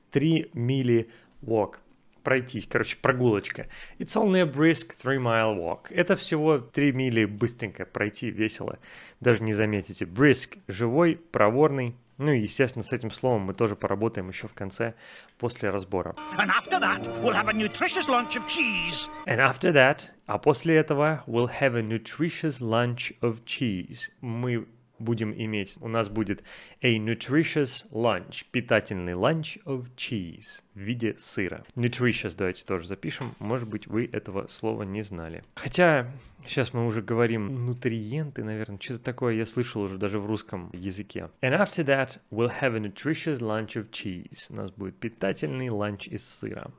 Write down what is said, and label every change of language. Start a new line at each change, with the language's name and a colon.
English: 3-mile walk.
Russian: Пройтись, короче, прогулочка.
English: It's only a brisk 3-mile walk.
Russian: Это всего 3 мили быстренько пройти, весело. Даже не заметите. Brisk – живой, проворный. Ну и, естественно, с этим словом мы тоже поработаем еще в конце, после разбора.
English: And after that, we'll have a nutritious lunch of cheese. And after that,
Russian: а после этого,
English: we'll have a nutritious lunch of cheese.
Russian: Мы будем иметь, у нас будет
English: a nutritious lunch,
Russian: питательный
English: lunch of cheese
Russian: в виде сыра. Nutritious давайте тоже запишем, может быть, вы этого слова не знали. Хотя, сейчас мы уже говорим нутриенты, наверное, что-то такое я слышал уже даже в русском языке.
English: And after that, we'll have a nutritious lunch of cheese.
Russian: У нас будет питательный lunch из сыра.